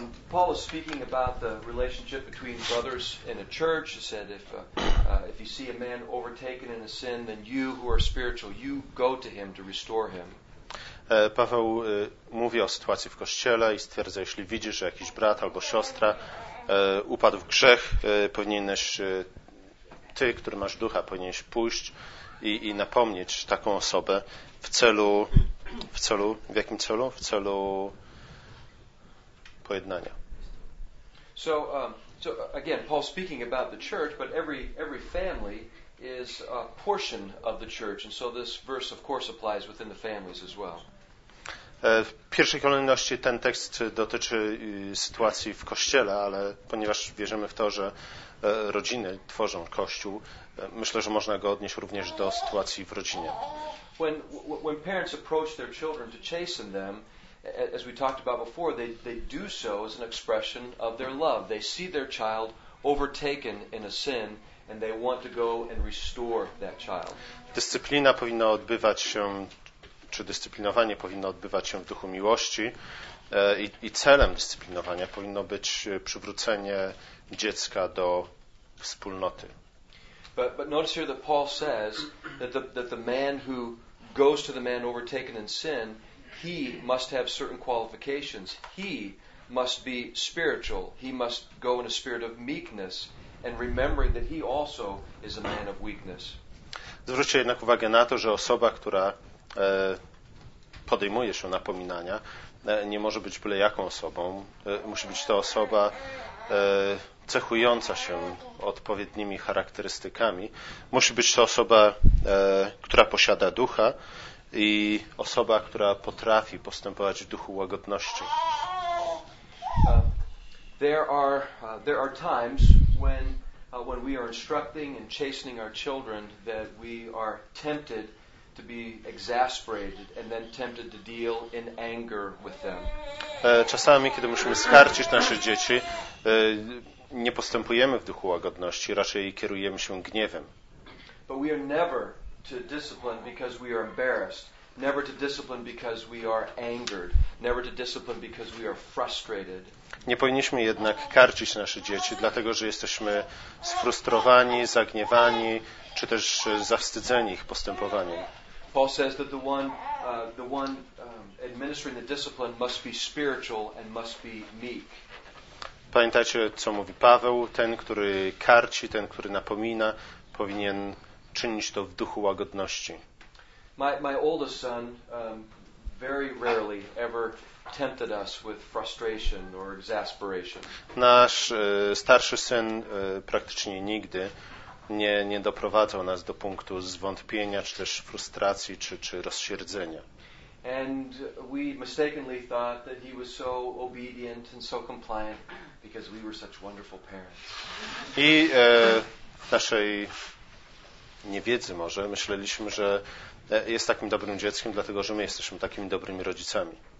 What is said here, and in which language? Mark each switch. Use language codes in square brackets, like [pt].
[en] Paul is speaking about the relationship between brothers in a church. He said if you see a man overtaken in a sin, then you who are spiritual, you go to him to restore him. [pl] Paweł mówi o sytuacji w kościele i stwierdza, jeśli widzisz, że jakiś brat albo siostra upadł w grzech, powinieneś ty, który masz ducha, powinieneś pójść i napomnieć taką osobę w celu, w jakim celu? W celu pojednania. [en] So again, Paul speaking about the church, but every family is a portion of the church, and so this verse of course applies within the families as well. [pl] W pierwszej kolejności ten tekst dotyczy sytuacji w kościele, ale ponieważ wierzymy w to, że rodziny tworzą kościół, myślę, że można go odnieść również do sytuacji w rodzinie. [en] When parents approach their children to chasten them, as we talked about before, they do so as an expression of their love. They see their child overtaken in a sin and they want to go and restore that child. [pl] Dyscyplina powinna odbywać się, czy dyscyplinowanie powinno odbywać się w duchu miłości i celem dyscyplinowania powinno być przywrócenie dziecka do wspólnoty. [en] But notice here that Paul says that the man who goes to the man overtaken in sin, he must have certain qualifications. He must be spiritual. He must go in a spirit of meekness and remembering that he also is a man of weakness. [pl] Zwróćcie jednak uwagę na to, że osoba, która podejmuje się napominania, nie może być byle jaką osobą. Musi być to osoba cechująca się odpowiednimi charakterystykami. Musi być to osoba, która posiada ducha i osoba, która potrafi postępować w duchu łagodności. [en] There are times when we are instructing and chastening our children that we are tempted to be exasperated and then tempted to deal in anger with them. [pl] Czasami, kiedy musimy skarcić nasze dzieci, nie postępujemy w duchu łagodności, raczej kierujemy się gniewem. [en] But we are never to discipline because we are embarrassed. Never to discipline because we are angered. Never to discipline because we are frustrated. [pl] Nie powinniśmy jednak karcić nasze dzieci, dlatego że jesteśmy sfrustrowani, zagniewani, czy też zawstydzeni ich postępowaniem. [en] Paul says that the one administering the discipline must be spiritual and must be meek. [pl] Pamiętajcie, co mówi Paweł. Ten, który karci, ten, który napomina, powinien czynić to w duchu łagodności. [en] My oldest son very rarely ever tempted us with frustration or exasperation. [pl] Nasz starszy syn praktycznie nigdy nie doprowadzał nas do punktu zwątpienia, czy też frustracji, czy rozsierdzenia. [en] And we mistakenly thought that he was so obedient and so compliant because we were such wonderful parents. [pl] I w naszej niewiedzy może myśleliśmy, że jest takim dobrym dzieckiem, dlatego że my jesteśmy takimi dobrymi rodzicami.